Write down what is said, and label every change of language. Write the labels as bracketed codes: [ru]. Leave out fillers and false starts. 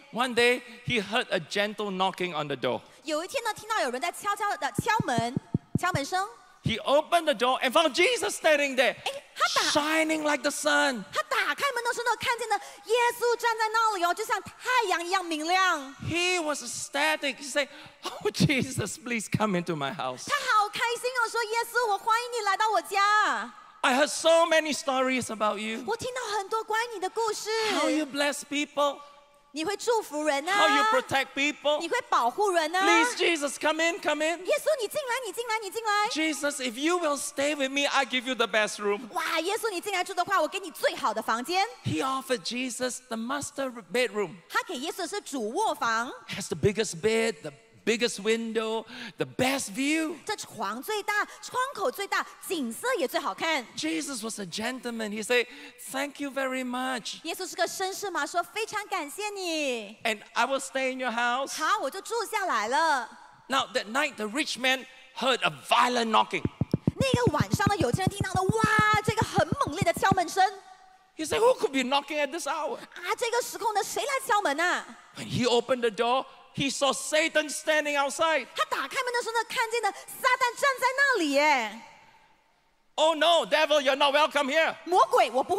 [en] One day, he heard a gentle knocking on the door. [zh] 有一天呢,听到有人在敲门声。 [en] He opened the door and found Jesus standing there, shining like the sun. [zh] 他打开门的时候,看见了耶稣站在那里,就像太阳一样明亮。 [en] He was ecstatic. He said, oh Jesus, please come into my house. [zh] 他好开心哦,说耶稣,我欢迎你来到我家。 [en] I heard so many stories about you. How you bless people. [zh] 你会祝福人啊, [en] how you protect people. [zh] 你会保护人啊, [en] please, Jesus, come in, come in. [zh] 耶稣,你进来,你进来,你进来。 [en] Jesus, if you will stay with me, I give you the best room. [zh] 哇,耶稣,你进来住的话,我给你最好的房间。 [en] He offered Jesus the master bedroom. [zh] 他给耶稣是主卧房。 [en] Has the biggest bed, the biggest window, the best view. [zh] 这窗最大, 窗口最大, 景色也最好看。 [en] Jesus was a gentleman. He said, thank you very much. [zh] 耶稣是个绅士嘛, 说, 非常感谢你。 [en] And I will stay in your house. [zh] 好, 我就住下来了。 [en] Now that night, the rich man heard a violent knocking. [zh] 那个晚上呢, 有钱人听到了, 哇, 这个很猛烈的敲门声。 [en] He said, who could be knocking at this hour? [zh] 啊, 这个时空呢, [en] when he opened the door, he saw Satan standing outside. [zh] 他打开门的时候呢, [en] oh no, devil, you're not welcome here. [zh] 魔鬼,